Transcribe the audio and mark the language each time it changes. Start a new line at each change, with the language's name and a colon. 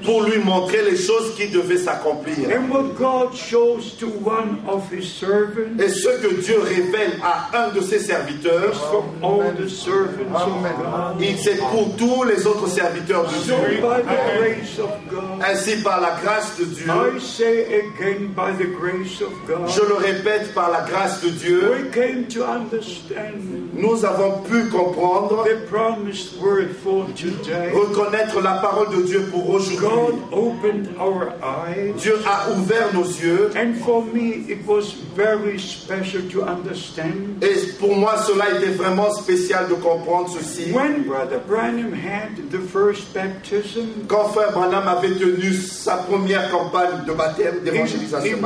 French: pour lui montrer les choses qui devaient s'accomplir.
English: And what God shows to one of his servants,
French: et ce que Dieu révèle à un de ses serviteurs,
English: from all the servants of God,
French: il sait pour tous les autres serviteurs de Dieu.
English: So by the grace of God,
French: ainsi par la grâce de Dieu,
English: I say again by the grace of God,
French: je le répète par la grâce de Dieu,
English: we came to understand,
French: nous avons pu comprendre,
English: the promised word for today,
French: reconnaître la parole de Dieu pour aujourd'hui.
English: God opened our eyes,
French: Dieu a ouvert nos yeux,
English: and for me it was very special to understand.
French: Et pour moi, cela était vraiment spécial de comprendre ceci.
English: When Brother Branham had the first baptism,
French: quand frère Branham avait tenu sa première campagne de baptême, d'évangélisation,